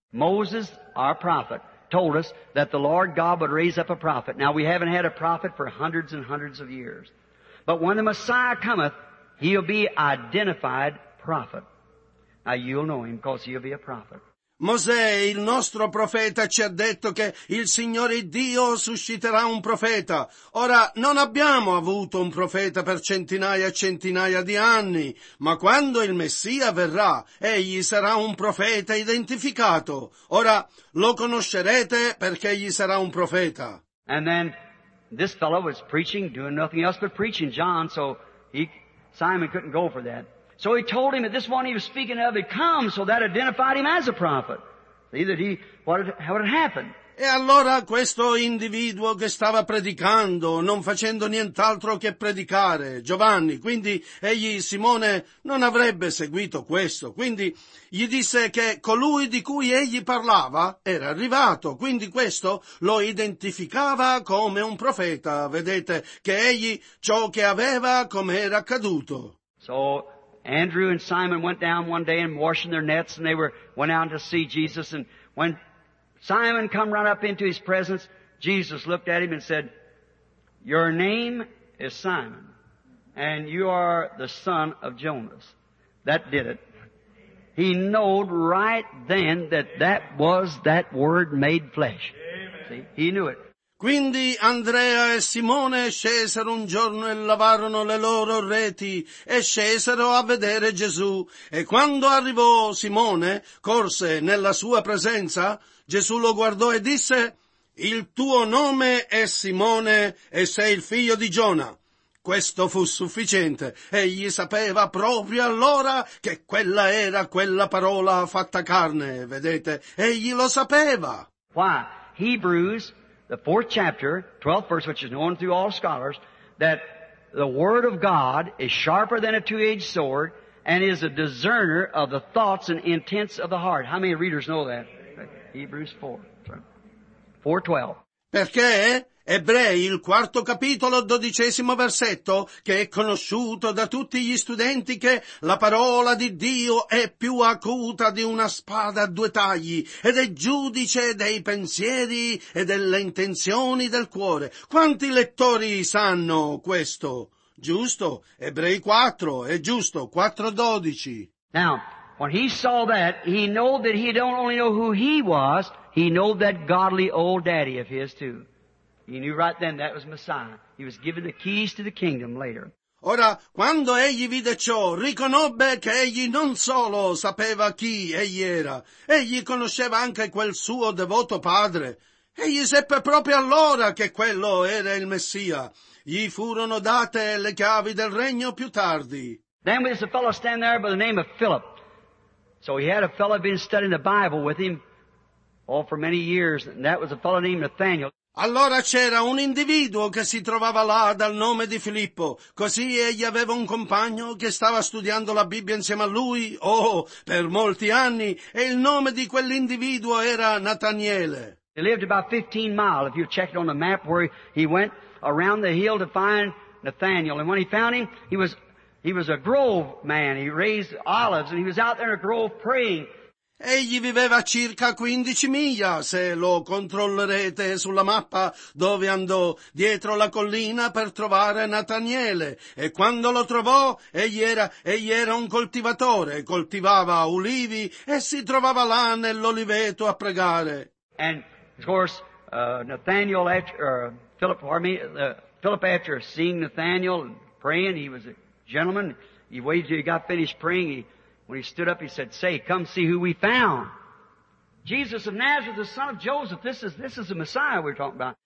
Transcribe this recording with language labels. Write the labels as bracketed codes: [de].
[en] Moses, our prophet, told us that the Lord God would raise up a prophet. Now we haven't had a prophet for hundreds and hundreds of years. But when the Messiah cometh, he'll be identified prophet. Now you'll know him because he'll be a prophet. [it] Mosè, il nostro profeta, ci ha detto che il Signore Dio susciterà un profeta. Ora, non abbiamo avuto un profeta per centinaia e centinaia di anni, ma quando il Messia verrà, egli sarà un profeta identificato. Ora, lo conoscerete perché egli sarà un profeta. [en] And then, this fellow was preaching, doing nothing else but preaching John, so he... Simon couldn't go for that. So he told him that this one he was speaking of had come, so that identified him as a prophet. See that he, what had happened. [it] E allora questo individuo che stava predicando, non facendo nient'altro che predicare, Giovanni, quindi egli, Simone, non avrebbe seguito questo. Quindi gli disse che colui di cui egli parlava era arrivato, quindi questo lo identificava come un profeta. Vedete che egli ciò che aveva come era accaduto. [en] So Andrew and Simon went down one day and washing their nets and they went out to see Jesus and went... Simon come right up into his presence. Jesus looked at him and said, your name is Simon, and you are the son of Jonas. That did it. He knowed right then that that was that word made flesh. See, he knew it. [it] Quindi Andrea e Simone scesero un giorno e lavarono le loro reti e scesero a vedere Gesù. E quando arrivò Simone, corse nella sua presenza, Gesù lo guardò e disse, «Il tuo nome è Simone e sei il figlio di Giona. Questo fu sufficiente. Egli sapeva proprio allora che quella era quella parola fatta carne. Vedete, egli lo sapeva. [en] Why? Hebrews, the fourth chapter, 12th verse, which is known through all scholars, that the word of God is sharper than a two-edged sword and is a discerner of the thoughts and intents of the heart. How many readers know that? Hebrews 4:12. [it] Perché? Ebrei, il quarto capitolo, dodicesimo versetto, che è conosciuto da tutti gli studenti che la parola di Dio è più acuta di una spada a due tagli ed è giudice dei pensieri e delle intenzioni del cuore. Quanti lettori sanno questo? Giusto? Ebrei 4, è giusto, 4:12. [en] Now, when he saw that, he knew that he don't only know who he was, he knew that godly old daddy of his too. He knew right then that was Messiah. He was given the keys to the kingdom later. [it] Ora, quando egli vide ciò, riconobbe che egli non solo sapeva chi egli era, egli conosceva anche quel suo devoto padre. Egli seppe proprio allora che quello era il Messia. Gli furono date le chiavi del regno più tardi. [en] Then there was a fellow standing there by the name of Philip. So he had a fellow been studying the Bible with him all for many years, and that was a fellow named Nathaniel. [it] Allora c'era un individuo che si trovava là dal nome di Filippo, così egli aveva un compagno che stava studiando la Bibbia insieme a lui, oh, per molti anni, e il nome di quell'individuo era Nathaniele. [en] He lived about 15 miles, if you check it on the map, where he went around the hill to find Nathaniel. And when he found him, he was a grove man, he raised olives, and he was out there in a grove praying. [it] Egli viveva circa 15 miglia, se lo controllerete sulla mappa, dove andò dietro la collina per trovare Nathaniele. E quando lo trovò, egli era un coltivatore, coltivava ulivi e si trovava là nell'oliveto a pregare. [en] And of course, Nathaniel, Philip, after seeing Nathaniel praying, he was a gentleman. He waited till he got finished praying. When he stood up, he said, "Say, come see who we found. Jesus of Nazareth, the son of Joseph. This is the Messiah we're talking about."